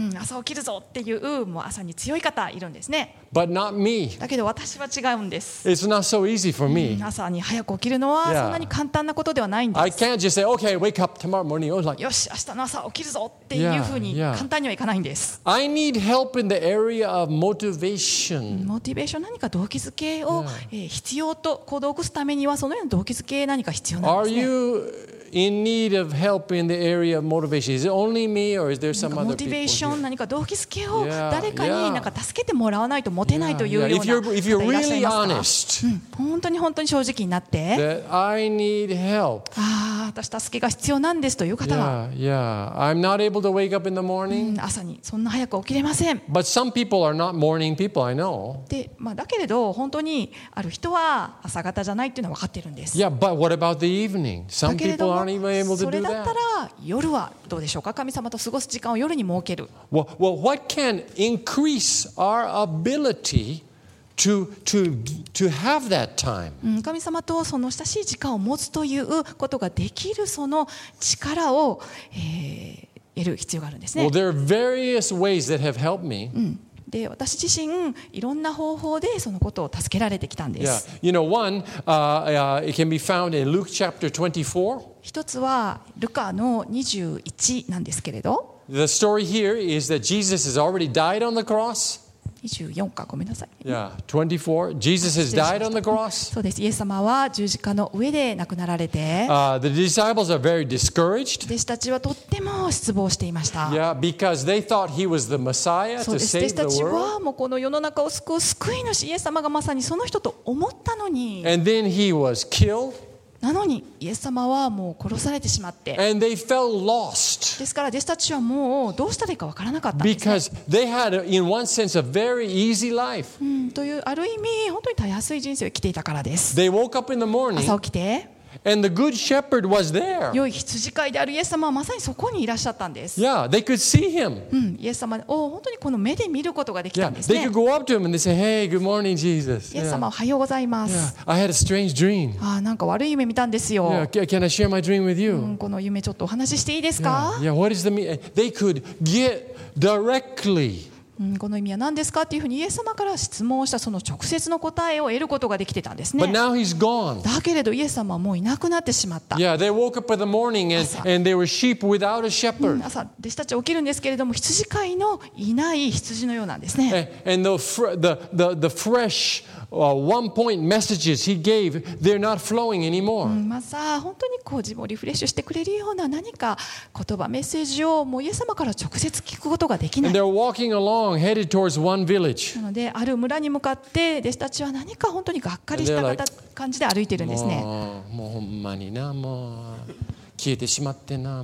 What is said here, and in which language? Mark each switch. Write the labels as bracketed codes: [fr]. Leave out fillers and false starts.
[ja] 朝起きるぞっていう、もう朝に強い方いるんですね。 [en] But not me. [ja] だけど私は違うんです。 [en] It's not so easy for me. [ja] 朝に早く起きるのはそんなに簡単なことではないんです。 [en] Yeah. I can't just say, okay, wake up tomorrow morning. Oh, like, [ja] よし、明日の朝起きるぞっていうふうに簡単にはいかないんです。 [en] Yeah, yeah. I need help in the area of motivation. [ja] モチベーション、何か動機づけを必要と行動を起こすためには、そのような動機づけ何か必要なんですね。 [en] Are you in need of help in the area of motivation? Is it only me or is there some other people? モチベーション、 [ja] 何か動機づけを誰かに何か助けてもらわないと持てないというような方いらっしゃいますか？ [en] If you're really honest, [ja] 本当に本当に正直になって、 [en] that I need help. [ja] 私助けが必要なんですという方は、 [en] yeah. I'm not able to wake up in the morning. [ja] 朝にそんな早く起きれません。 [en] But some people are not morning people, I know. [ja] で、だけれど本当にある人は朝方じゃないっていうのは分かってるんです。 [en] Yeah, but what about the evening? Some people aren't even able to do that. [ja] それだったら夜はどうでしょうか？神様と過ごす時間を夜に設ける。 [en] Well, what can increase our ability to have that time? [ja] 神様とその親しい時間を持つということができるその力を、得る必要があるんですね。 [en] Well, there are various ways that have helped me. [ja] で、私自身いろんな方法でそのことを助けられてきたんです。 [en] Yeah. You know, one, it can be found in Luke chapter 24. [ja] 一つはルカの21なんですけれど、 [en] The story here is that Jesus has already died on the cross. [ja] 24か、ごめんなさい。 [en] Yeah, 24. Jesus has died on the cross. [ja] そうです。イエス様は十字架の上で亡くなられて。 [en] The disciples are very discouraged. [ja] 弟子たちはとっても失望していました。 [en] Yeah, because they thought he was the Messiah to save the world. [ja] 弟子たちはもうこの世の中を救う救い主、イエス様がまさにその人と思ったのに。 [en] And then he was killed. [ja] なのにイエス様はもう殺されてしまって、ですから弟子たちはもうどうしたらいいか分からなかったんです、ね。 [en] Because they had, in one sense, a very easy life. [ja] というある意味本当にたやすい人生を生きていたからです。 [en] They woke up in the morning. [ja] 朝起きて。 [en] And the good shepherd was there. [ja] 良い羊飼いであるイエス様はまさにそこにいらっしゃったんです。 [en] Yeah, they could see him. [ja] イエス様を本当にこの目で見ることができたんですね。 [en] Yeah, they could go up to him and they say, "Hey, good morning, Jesus." [ja] イエス様、おはようございます。 [en] Yeah, I had a strange dream. [ja] ああ、なんか悪い夢見たんですよ。 [en] Yeah, can I share my dream with you? [ja] この夢ちょっとお話ししていいですか？ [en] Yeah, what is the meaning? They could get directly. [ja] この意味は何ですかっていうふうにイエス様から質問したその直接の答えを得ることができてたんですね。だけれどイエス様はもういなくなってしまった。 [en] Yeah, they woke up in the morning and they were sheep without a shepherd. [ja] 朝弟子たち起きるんですけれども羊飼いのいない羊のようなんですね。 [en] And the fresh one point messages he gave, they're not flowing anymore. [ja] まさ本当にこう自分をリフレッシュしてくれるような何か言葉メッセージをもうイエス様から直接聞くことができない。 [en] And they're walking alongheaded towards one village. [ja] なのである村に向かって弟子たちは何か本当にがっかりした感じで歩いてるんですね。もうほんまにな、もう消えてしまってな、